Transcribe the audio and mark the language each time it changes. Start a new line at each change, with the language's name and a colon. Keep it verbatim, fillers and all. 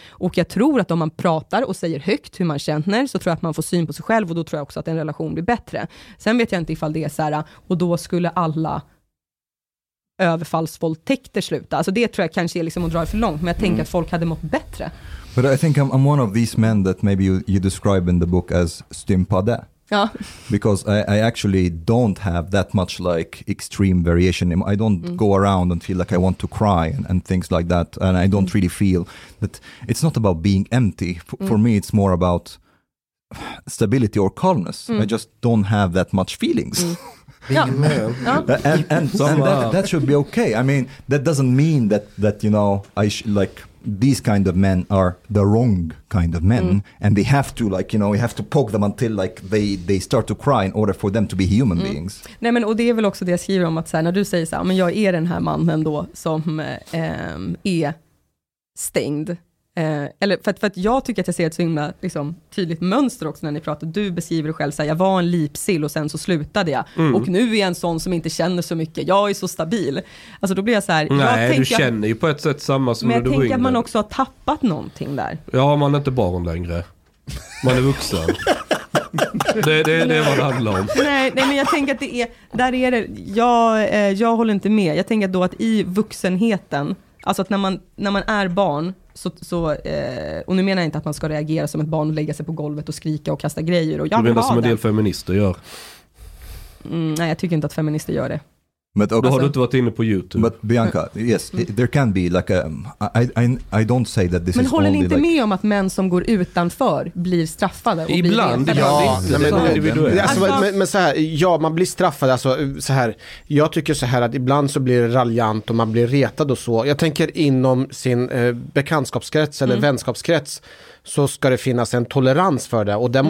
Swedish: Och jag tror att om man pratar och säger högt hur man känner, så tror jag att man får syn på sig själv, och då tror jag också att en relation blir bättre. Sen vet jag inte ifall det är så här, och då skulle alla överfallsvåldtäkter sluta. Alltså det tror jag kanske är liksom att dra för långt, men jag tänker mm. att folk hade mått bättre.
English: But I think I'm, I'm one of these men that maybe you, you describe in the book as stympade. Yeah. Because I, I actually don't have that much like extreme variation. I don't mm. go around and feel like I want to cry and, and things like that. And I don't mm. really feel that. It's not about being empty. For, mm. for me, it's more about stability or calmness. Mm. I just don't have that much feelings. Mm. Big yeah. man. Yeah. And, and, and that, that should be okay. I mean, that doesn't mean that, that you know, I sh- like... these kind of men are the wrong kind of men mm. and they have to like, you know, we have to poke them until like they, they start to cry in order for them to be human mm. beings.
Swedish: Nej, men och det är väl också det jag skriver om, att så här, när du säger så här, men jag är den här mannen då som eh, är stängd. Eh, eller för att, för att jag tycker att jag ser ett så himla liksom, tydligt mönster också när ni pratar. Du beskriver dig själv så här, jag var en lipsill och sen så slutade jag. Mm. Och nu är jag en sån som inte känner så mycket. Jag är så stabil. Alltså då blir jag så här. Nej, jag du tänker, känner ju på ett sätt samma som men när du var yngre. Jag tänker att man också har tappat någonting där. Ja, man är inte barn längre. Man är vuxen. Det, det, det är vad det handlar om. Nej, nej, men jag tänker att det är, där är det, jag, eh, jag håller inte med. Jag tänker då att i vuxenheten, alltså att när man, när man är barn så, så, eh, och nu menar jag inte att man ska reagera som ett barn och lägga sig på golvet och skrika och kasta grejer. Och jag du menar som en del feminister gör? Mm, nej, jag tycker inte att feminister gör det.
English: But, okay.
Swedish: Då har du inte varit inne på YouTube.
English: But Bianca, yes, mm. there can be like a, I, I, I don't say that this
Swedish: men
English: is
Swedish: håller ni inte
English: like...
Swedish: med om att män som går utanför blir straffade? Och ibland, blir ja, ja, men, men, alltså, men, men så här, ja, man blir straffad. Alltså, så här, jag tycker så här att ibland så blir det raljant och man blir retad och så. Jag tänker inom sin eh, bekantskapskrets eller mm. vänskapskrets så ska det finnas en tolerans för det. Och där mm.